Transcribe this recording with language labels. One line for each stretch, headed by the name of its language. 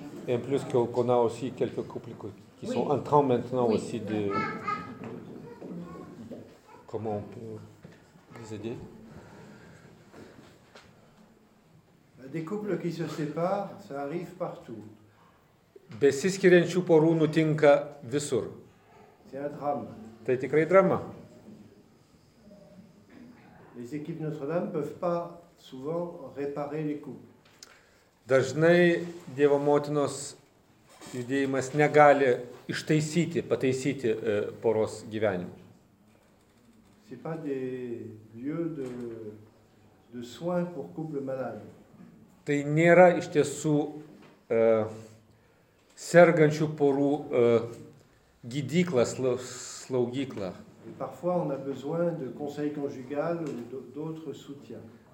French: En plus qu'on a aussi quelques couples qui sont en train maintenant aussi de comment on peut les aider. Des couples qui se séparent, ça arrive partout.
Lithuanian: Besiskiriančių porų nutinka visur.
French: C'est un drame.
Lithuanian: Tai tikrai drama.
French: Les équipes Notre-Dame peuvent pas souvent réparer les couples.
Lithuanian: Dažnai Dievo motinos judėjimas negali ištaisyti, pataisyti poros gyvenimą.
French: C'est pas des lieux de soins pour couple malade.
Lithuanian: Tai nėra iš tiesų sergančių porų gydykla, slaugykla.
French: Parfois on a besoin de conseils conjugal ou d'autres soutiens.